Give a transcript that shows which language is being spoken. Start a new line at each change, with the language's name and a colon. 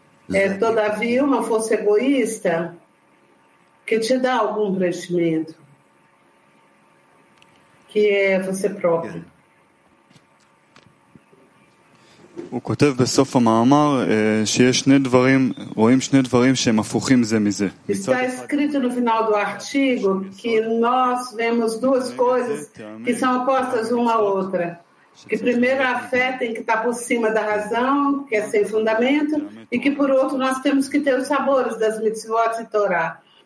Portuguese: É, todavia, uma força egoísta que te dá algum preenchimento, que é você próprio.
Hebrew: הוא כותב בסוף המאמר שיש שני דברים, רואים שני דברים שהם הפוכים זה מזה.
Portuguese: Está escrito no final do artigo que nós vemos duas coisas que são opostas uma à outra. Que primeiro a fé tem que estar por cima da razão, que é sem fundamento, e que por outro nós temos que ter os sabores das mitzvot e Torá.